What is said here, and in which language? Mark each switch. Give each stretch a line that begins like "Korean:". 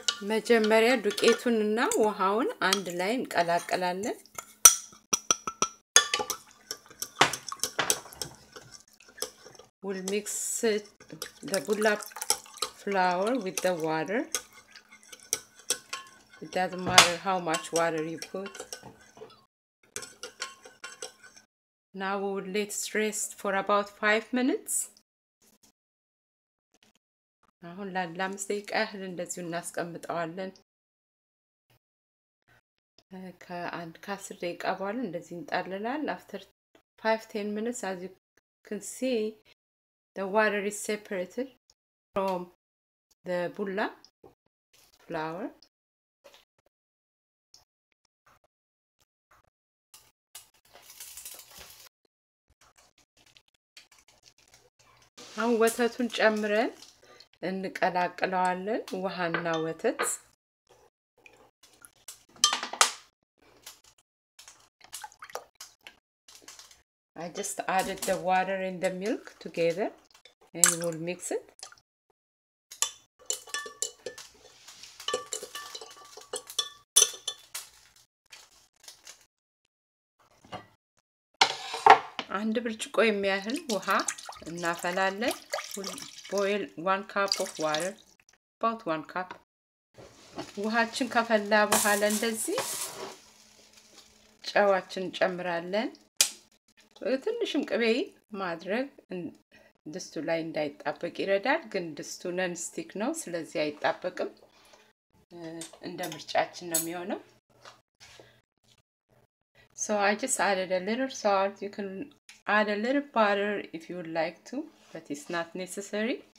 Amharic: መጀመሪያ ዱቄቱንና ውሃውን አንድ ላይ እንቀላቀላለን።
English: We'll mix the bulla flour with the water. It doesn't matter how much water you put. Now we'll let it rest for about 5 minutes.
Amharic: አሁን ለአምስት ደቂቃ ያህል እንደዚሁ እናስቀምጣለን። ከአንድ ከአስር ደቂቃ በኋላ እንደዚህ እንጣለላለን.
English: After 5-10 minutes, as you can see, the water is separated from the bulla flour.
Amharic: አሁን ወተቱን ጨምረን እንቀላቀለዋለን ውሃና ወተት.
English: I just added the water and the milk together and we'll mix it.
Amharic: አንድ ብርጭቆ የሚያህል ውሃ እናፈላለን.
English: Boil 1 cup of water, about 1 cup.
Amharic: ውሃችን ከፈላ በኋላ እንደዚህ ጨዋችን ጨምራለን። ትንሽም ቅቤ ማድረግ ድስቱ ላይ እንዳይጣበቅ ይረዳል። ግን ድስቱ ነንስቲክ ነው፣ ስለዚህ አይጣበቅም። እንደ ምርጫችን ነው የሚሆነው።
English: So I just added a little salt. You can add a little butter if you would like to, but it's not necessary.